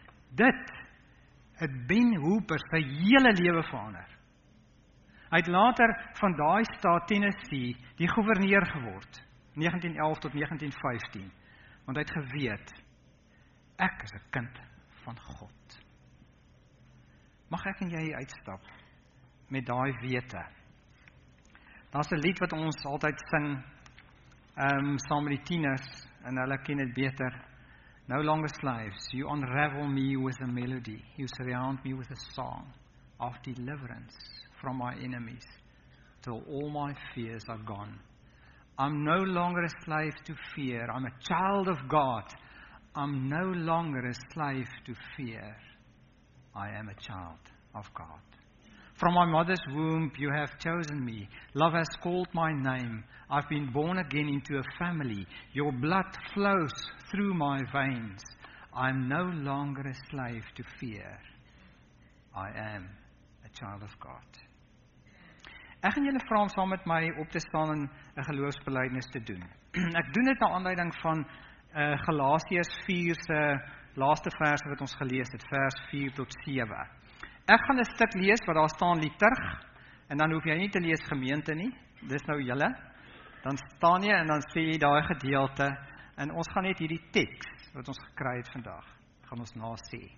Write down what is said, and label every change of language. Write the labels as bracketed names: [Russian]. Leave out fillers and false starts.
[Afrikaans] Dit het Ben Hooper sy hele lewe verander. Hy het later van daai staat Tennessee die gouverneur geword, 1911 tot 1915, want hy het geweet, ek is 'n kind van God. Mag ek en jy uitstap met daai wete? Daar's 'n lied wat ons altyd sing, saam met die tieners, en hulle ken dit beter, [English] No longer slaves, you unravel me with a melody, you surround me with a song of deliverance from my enemies, till all my fears are gone. I'm no longer a slave to fear, I'm a child of God. I'm no longer a slave to fear, I am a child of God. From my mother's womb you have chosen me, love has called my name, I've been born again into a family, your blood flows through my veins, I'm no longer a slave to fear, I am a child of God. [Afrikaans] Ek gaan julle vra om saam met my op te staan en 'n geloofsbelydenis te doen. Ek doen dit na aanleiding van Galasiërs 4 se laaste verse wat ons gelees het, vers 4 tot 7. Ek gaan 'n stuk lees wat daar staan literg, en dan hoef jy nie te lees gemeente nie, dis nou julle, dan staan jy en dan sê jy daai gedeelte, en ons gaan net hierdie teks wat ons gekry het vandag, gaan ons nasê.